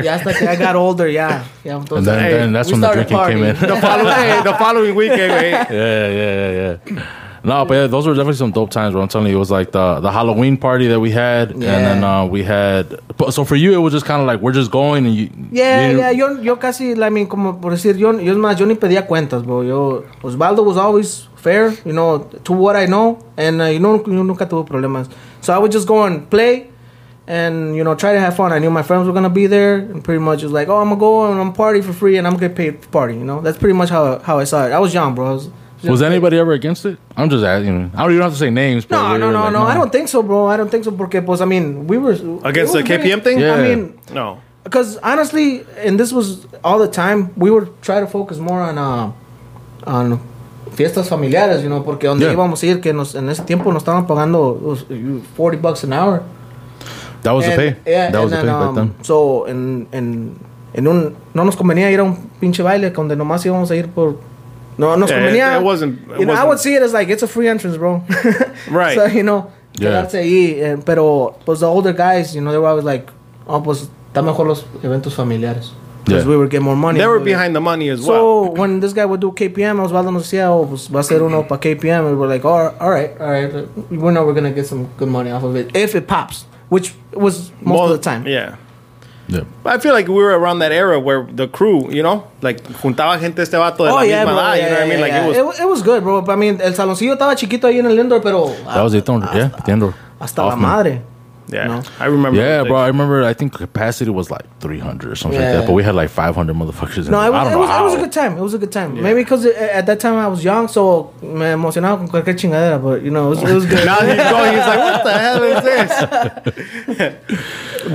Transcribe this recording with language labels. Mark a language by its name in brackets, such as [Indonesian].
[English] Yeah, [Spanish] hasta que [English] I got older, yeah. And then that's when the drinking came in. The following week, hey, yeah, yeah, yeah, yeah. No, but yeah, those were definitely some dope times, bro. I'm telling you, it was like the Halloween party that we had, and then we had. But so for you, it was just kind of like we're just going and you. [Spanish] Yeah, yo casi, [English] I mean, [Spanish] como por decir, yo más, yo ni pedía cuentas, bro. [English] Yo Osvaldo was always fair, you know, to what I know, and [Spanish] yo nunca tuve problemas. [English] So I would just go and play, and you know, try to have fun. I knew my friends were gonna be there, and pretty much it was like, oh, I'm gonna go and I'm party for free, and I'm gonna get paid for party. You know, that's pretty much how I saw it. I was young, bro. Was anybody ever against it? I'm just asking. I don't even have to say names. No, no, no, like, no. I don't think so, bro. I don't think so. [Spanish] Porque, pues, [English] I mean, we were... Against the KPM really, thing? Yeah. I mean... No. Because, honestly, and this was all the time, we would try to focus more on [Spanish] fiestas familiares, [English] you know, [Spanish] porque donde íbamos a ir, que nos, en ese tiempo nos estaban pagando [English] $40 an hour. That was and, the pay. Yeah. That was the pay back then. So, [Spanish] en un... No nos convenía ir a un pinche baile donde nomás íbamos a ir por... No, no, [English] yeah, it wasn't. It you know, wasn't. I would see it as like it's a free entrance, bro. Right. So you know, [Spanish] pero pues [English] the older guys, you know, they were always like, oh, [Spanish] pues está mejor los eventos familiares [English] because we would get more money. They were behind the money as so well. So when this guy would do KPM, Osvaldo [Spanish] nos decía, oh, pues va a ser uno para KPM, [English] and we're like, all right, we know we're gonna get some good money off of it if it pops, which was most of the time. Yeah. Yeah. I feel like we were around that era where the crew, you know, like [Spanish] juntaba gente este vato de la misma edad, [English] you know what I mean? Like it was good, bro. I mean, [Spanish] el saloncillo estaba chiquito ahí en el indoor, pero [English] that was the indoor, the indoor. [Spanish] Hasta la madre. [English] Yeah, no. I remember. Yeah, bro, I remember. I think capacity was like 300 or something like that, but we had like 500 motherfuckers. No, it was a good time. It was a good time. Yeah. Maybe because at that time I was young, so [Spanish] me emocionaba con cualquier chingadera. [English] But you know, it was good. Now he's like, what the hell is this?